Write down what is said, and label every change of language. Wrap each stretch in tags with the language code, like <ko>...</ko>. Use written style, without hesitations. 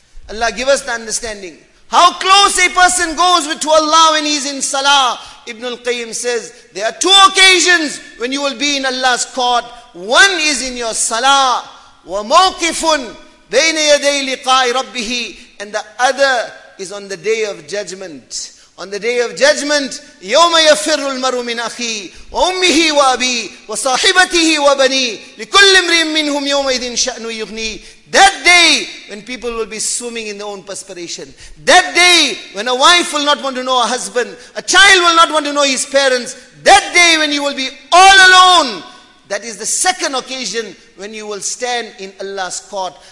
<en>Allah, give us the understanding. How close a person goes to Allah when he's in salah. Ibn al-Qayyim says, there are two occasions when you will be in Allah's court. One is in your salah. وَمَوْقِفٌ بَيْنَ يَدَيْ لِقَاءِ رَبِّهِ. And the other is on the day of judgment. On the day of judgment,</en> <ar>يَوْمَ يَفِرُّ الْمَرُ مِنْ أَخِيهِ وَأُمِّهِ وَأَبِيهِ وَصَاحِبَتِهِ وَبَنِيهِ لِكُلِّ امْرِئٍ مِّنْهُمْ يَوْمَئِذٍ شَأْنٌ يُغْنِيهِ.</ar> <en>That day when people will be swimming in their own perspiration. That day when a wife will not want to know a husband. A child will not want to know his parents. That day when you will be all alone. That is the second occasion when you will stand in Allah's court.</en>